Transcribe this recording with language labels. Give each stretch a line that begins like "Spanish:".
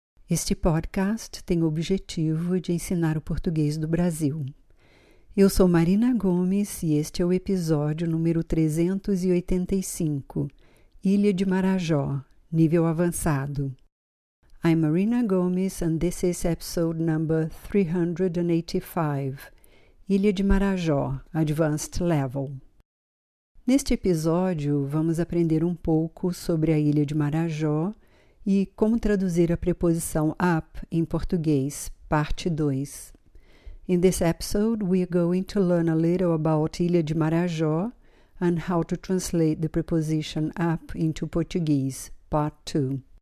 Portuguese: Este podcast tem o objetivo de ensinar o português do Brasil. Eu sou Marina Gomes e este é o episódio número 385, Ilha de Marajó, nível avançado.
English: I'm Marina Gomes and this is episode number 385. Ilha de Marajó, Advanced Level.
Portuguese: Neste episódio, vamos aprender um pouco sobre a Ilha de Marajó e como traduzir a preposição up em português, parte 2.
English: In this episode, we are going to learn a little about Ilha de Marajó and how to translate the preposition up into Portuguese, part 2.